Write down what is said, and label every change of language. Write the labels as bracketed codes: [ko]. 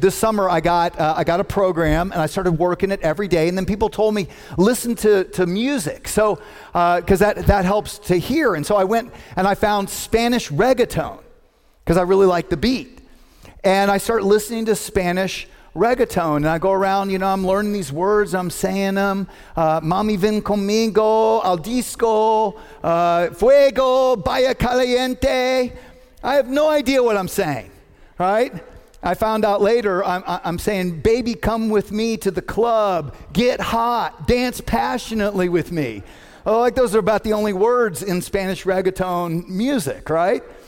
[en] This summer I got a program and I started working it every day, and then people told me, listen to music. So, because that helps to hear. And so I went and I found Spanish reggaeton because I really like the beat. And I start listening to Spanish reggaeton and I go around, you know, I'm learning these words, I'm saying them. [es] Mami ven conmigo, al disco, fuego, vaya caliente. [en] I have no idea what I'm saying, right? I found out later, I'm saying, baby, come with me to the club, get hot, dance passionately with me. Oh, like those are about the only words in Spanish reggaeton music, right?